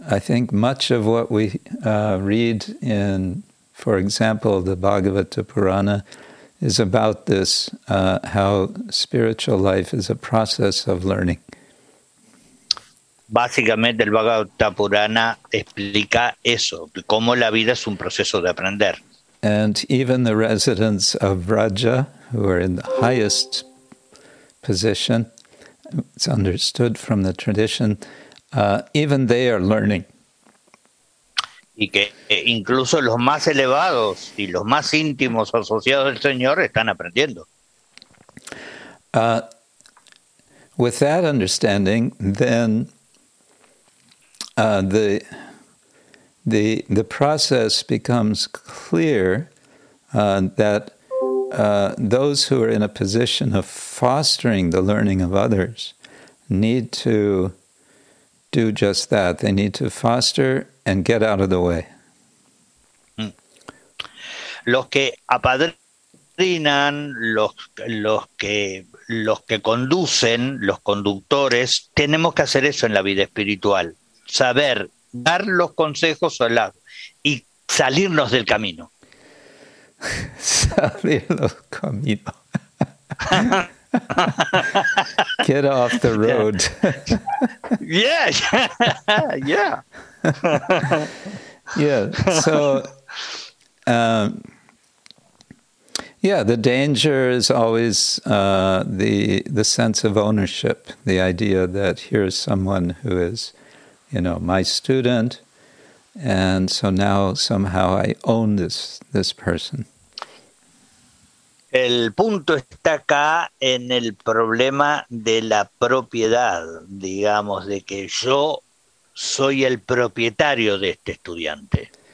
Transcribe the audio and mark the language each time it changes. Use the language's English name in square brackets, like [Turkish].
[English] I think much of what we read in, for example, the Bhagavata Purana is about this, how spiritual life is a process of learning. [Spanish] Básicamente el Bhagavata Purana explica eso, cómo la vida es un proceso de aprender. [English] And even the residents of Vraja, who are in the highest position, it's understood from the tradition, even they are learning. [Spanish] Y que incluso los más elevados y los más íntimos asociados del Señor están aprendiendo. [English] With that understanding, then the process becomes clear that those who are in a position of fostering the learning of others need to do just that. They need to foster and get out of the way. [Spanish] los que apadrinan, los que conducen, los conductores, tenemos que hacer eso en la vida espiritual, saber dar los consejos al lado y salirnos del camino. Salir los caminos. [English] Get off the road. Yeah. Yeah. Yeah. So, yeah, the danger is always the sense of ownership, the idea that here's someone who is, you know, my student, and so now somehow I own this person. [Spanish] El punto está acá en el problema de la propiedad, digamos, de que yo soy el propietario de este estudiante.